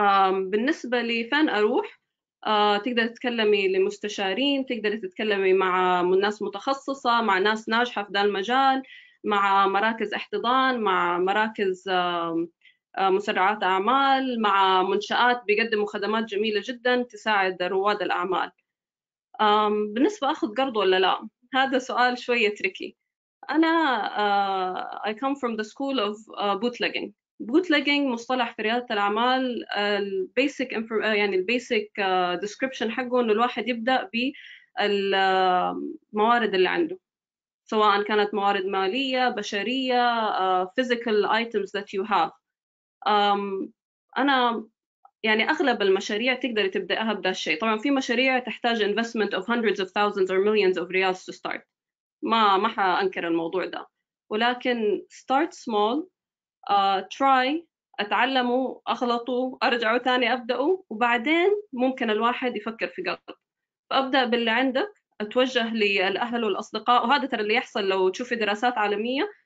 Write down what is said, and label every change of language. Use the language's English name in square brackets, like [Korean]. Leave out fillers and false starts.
[Arabic] بالنسبة لفين أروح، تقدر تتكلمي لمستشارين، تقدر تتكلمي مع ناس متخصصة، مع ناس ناجحة في ذا المجال، مع مراكز احتضان، مع مراكز مسرعات أعمال، مع منشآت بيقدموا خدمات جميلة جدا تساعد رواد الأعمال. بالنسبة أخذ قرض ولا لا، هذا سؤال شوية تريكي. أنا [English] I come from the school of bootlegging. [Arabic] Bootlegging مصطلح في ريادة الأعمال، [English] basic [Arabic] يعني [English] basic description [Arabic] حقه إنه الواحد يبدأ بالموارد اللي عنده، سواء كانت موارد مالية، بشرية، [English] physical items that you have. [Arabic] أنا يعني أغلب المشاريع تقدر تبدأها بدا الشيء. طبعا في مشاريع تحتاج [English] investment of hundreds of thousands or millions of riyals to start. [Arabic] ما حأنكر الموضوع ده، ولكن [English] start small, try [Arabic] أتعلمه، أخلطه، أرجعه ثاني أبدأه، وبعدين ممكن الواحد يفكر في قرض. فأبدأ باللي عندك، أتوجه للأهل والأصدقاء، وهذا ترى اللي يحصل لو تشوفي دراسات عالمية.